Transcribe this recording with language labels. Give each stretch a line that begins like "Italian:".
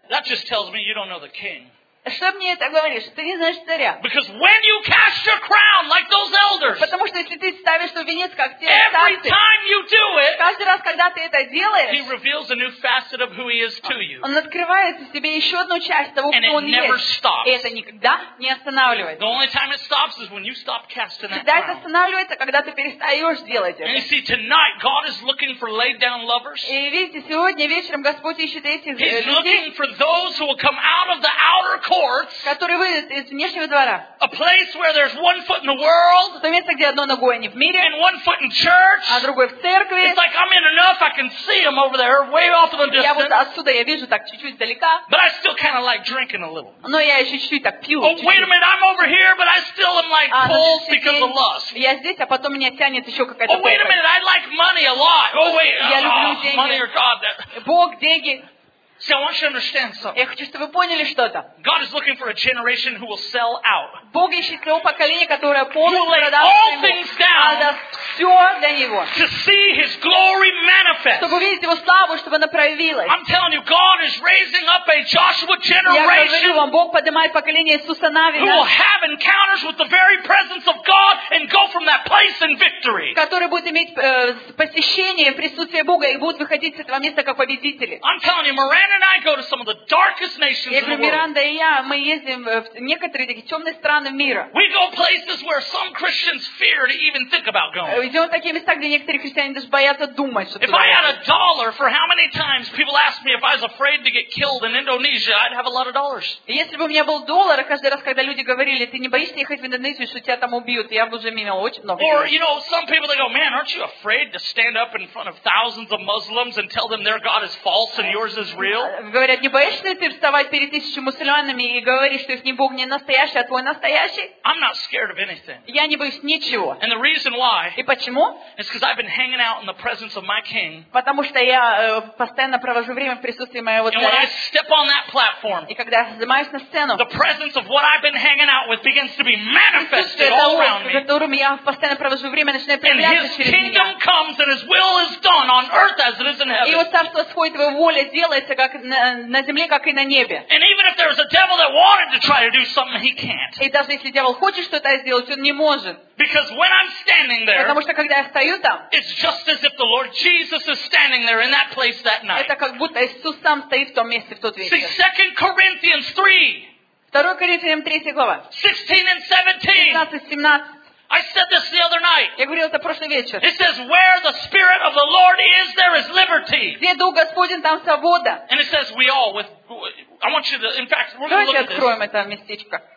English: that just tells me you don't know the king.
Russian: Что мне это говоришь? Ты не знаешь царя.
English: Because when you cast your crown like those elders.
Russian: Потому что если ты ставишь свой венец как те старцы.
English: Every time you do it.
Russian: Каждый раз, когда ты это делаешь.
English: He reveals a new facet of who he is to you.
Russian: Он открывает в тебе еще одну часть того, кто он есть.
English: And it never stops.
Russian: И это никогда не останавливается.
English: The only time it stops is when you stop casting that crown.
Russian: Всегда это останавливается, когда ты перестаешь делать это.
English: And you see, tonight God is looking for laid down lovers.
Russian: И видите, сегодня вечером Господь ищет этих людей.
English: He's looking for those who will come out of the outer
Russian: который выйдет из внешнего двора.
English: A place where there's one foot in the world.
Russian: То место, где одно ногой не в мире.
English: And one foot in church.
Russian: А другой в церкви.
English: It's like I'm in enough. I can see them over there, way off in the distance.
Russian: Я вот отсюда я вижу так чуть-чуть далека.
English: But I still kind of like drinking a little.
Russian: Но я еще чуть-чуть так пью. Oh, чуть-чуть.
English: Wait a minute, I'm over here, but I still am like pulled because of lust.
Russian: Я здесь, а потом меня тянет еще какая-то.
English: Oh, wait a minute, I like money a lot. Oh wait, money or God?
Russian: Бог, деньги.
English: See, I want you to understand something.
Russian: Я хочу, чтобы вы поняли что-то.
English: God is looking for a generation who will sell out.
Russian: Бог ищет нового поколения, которое полностью продаст Ему.
English: All things down.
Russian: Все для Него.
English: To see His glory manifest.
Russian: Чтобы увидеть Его славу, чтобы она проявилась.
English: I'm telling you, God is raising up a Joshua generation.
Russian: Я говорю вам, Бог поднимает поколение Иисуса Навина.
English: Who will have encounters with the very presence of God and go from that place in victory.
Russian: Который будет иметь посещение присутствия Бога и будет выходить с этого места как победители.
English: I'm telling you, Miranda and I go to some of the darkest nations in the world.
Russian: Миранда и я, мы ездим в некоторые такие темные страны мира.
English: We go places where some Christians fear to even think about going.
Russian: Идем в такие места, где некоторые христиане даже боятся думать, что.
English: If I had a dollar for how many times people ask me if I was afraid to get killed in Indonesia, I'd have a lot of dollars.
Russian: Если бы у меня был доллар, каждый раз, когда люди говорили, ты не боишься ехать в Индонезию, что тебя там убьют, я бы уже имел очень много.
English: Or you know, some people they go, man, aren't you afraid to stand up in front of thousands of Muslims and tell them their God is false and yours is real?
Russian: Говорят, не боишься ли ты вставать перед тысячами мусульманами и говорить, что их не Бог не настоящий, а твой настоящий?
English: I'm not scared of anything.
Russian: Я не боюсь ничего.
English: And the reason why?
Russian: Почему?
English: It's because I've been hanging out in the presence of my King.
Russian: Потому что я постоянно провожу время в присутствии моего царя.
English: And when I step on that platform,
Russian: и когда я занимаюсь на сцену,
English: the presence of what I've been hanging out with begins to be manifested all around me.
Russian: Которым я постоянно провожу время, начинает проявляться через меня.
English: And His kingdom comes, and His will is done on earth as it is in heaven.
Russian: И его царство сходит, его воля делается как на земле, как и на небе.
English: And even if there's a devil that wanted to try to do something, he can't.
Russian: И даже если дьявол хочет что-то сделать, он не может.
English: Because when I'm standing there,
Russian: потому что когда я стою там,
English: it's just as if the Lord Jesus is standing there in that place that night.
Russian: Это как будто Иисус сам стоит в том месте в тот вечер.
English: See, 2 Corinthians 3.
Russian: 2 Коринфянам 3 глава.
English: 16 and 17. I said this the other night.
Russian: Я говорил это прошлый вечер.
English: It says, "Where the Spirit of the Lord is, there is liberty."
Russian: Где Дух Господень, там свобода.
English: And it says, "We all with." I want you to, in fact, we're going to look at this.
Russian: Давайте откроем это местечко.